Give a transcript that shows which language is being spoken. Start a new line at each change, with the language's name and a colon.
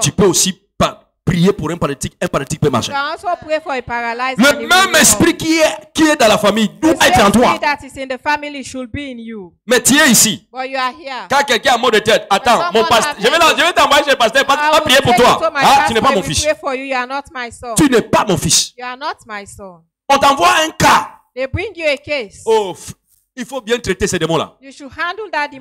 French: tu peux aussi prier pour un paralytique peut marcher. Le même esprit qui est dans la famille doit être en toi.
English: That is in the family should be in you.
French: Mais tu es ici.
English: But you are here.
French: Quand quelqu'un a mal de tête, attends, mon pasteur, je vais t'envoyer chez le pasteur, pas prier pour toi. Ah, tu n'es pas mon fils.
English: You are not my son.
French: Tu n'es pas mon fils.
English: You are not my son.
French: On t'envoie un cas.
English: They bring you a case.
French: Oh, il faut bien traiter ces démons-là.
English: You should handle that demon.